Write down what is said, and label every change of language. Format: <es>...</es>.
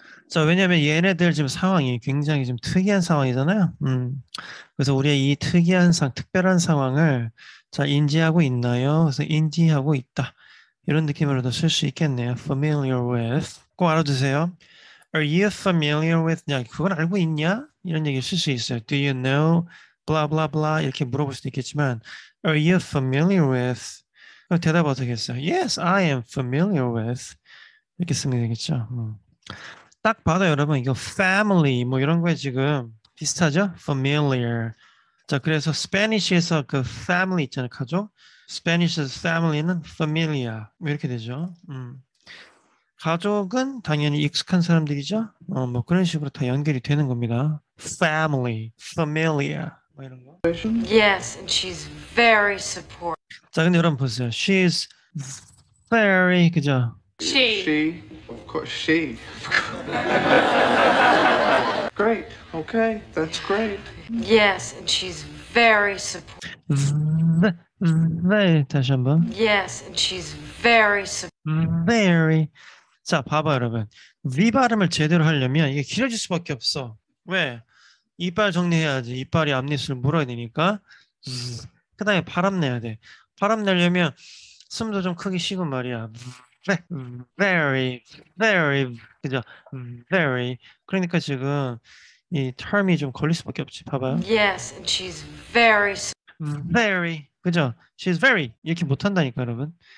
<ko>자, 왜냐면 얘네들 지금 상황이 굉장히 좀 특이한 상황이잖아요. 그래서 우리의 이 특이한 상, 특별한 상황을 자 인지하고 있나요? 그래서 인지하고 있다 이런 느낌으로도 쓸수 있겠네요.</ko> <en>Familiar with</en> <ko>꼭 알아두세요.</ko> <en>Are you familiar with</en> <ko>야, 그건 알고 있냐? 이런 얘기 쓸수 있어요.</ko> <en>Do you know? blah blah blah</en> <ko>이렇게 물어볼 수도 있겠지만</ko> <en>Are you familiar with?</en> <ko>대답 어떻게 했어요?</ko> <en>Yes, I am familiar with.</en> <ko>이렇게 쓰면 되겠죠. 딱 봐도 여러분 이거 family 뭐 이런 거에 지금 비슷하죠?</ko> <en>Familiar.</en> <ko>자, 그래서 스페니쉬에서 그 family 있잖아요, 가족. 스페니쉬에서 family는 familia 뭐 이렇게 되죠. 가족은 당연히 익숙한 사람들이죠. 뭐 그런 식으로 다 연결이 되는 겁니다.</ko> <en>Family, familia 뭐 이런 거. Yes, and she's very supportive.</en> <ko>자, 근데 여러분 보세요.</ko> <en>She's very 그죠? She. Of course, she. Great. Okay, that's great. Yes, and she's very supportive.</en> <ko>Very 다시 한번.</ko> <en>Yes, and she's very supportive.</en> <ko>Very. 자, 봐봐 여러분. V 발음을 제대로 하려면 이게 길어질 수밖에 없어. 왜? 이빨 정리해야지. 이빨이 앞니슬 물어야 되니까. 그다음에 발음 내야 돼. 발음 내려면 숨도 좀 크게 쉬고 말이야.</ko> <en>Very, very, 그죠? Very.</en> <ko>그러니까 지금 이 term이 좀 걸릴 수밖에 없지. 봐봐요.</ko> <en>Yes, and she's very. Very, 그죠? She's very.</en> <ko>이렇게 못 한다니까, 여러분.</ko>